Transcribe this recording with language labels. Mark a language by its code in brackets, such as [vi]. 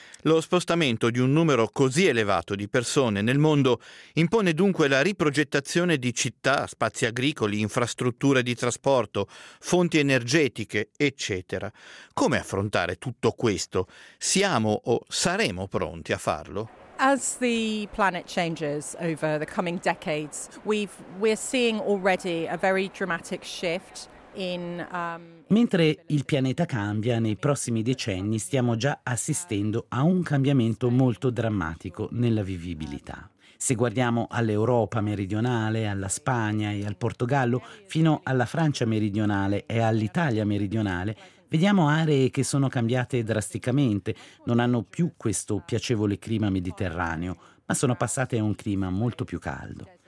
[it] Lo spostamento di un numero così elevato di persone nel mondo impone dunque la riprogettazione di città, spazi agricoli, infrastrutture di trasporto, fonti energetiche, eccetera. Come affrontare tutto questo? Siamo o saremo pronti a farlo? [en] As the planet changes over the coming decades, we're seeing already a very dramatic shift. [it] Mentre il pianeta cambia, nei prossimi decenni stiamo già assistendo a un cambiamento molto drammatico nella vivibilità. Se guardiamo all'Europa meridionale, alla Spagna e al Portogallo, fino alla Francia meridionale e all'Italia meridionale, vediamo aree che sono cambiate drasticamente, non hanno più questo piacevole clima mediterraneo, ma sono passate a un clima molto più caldo.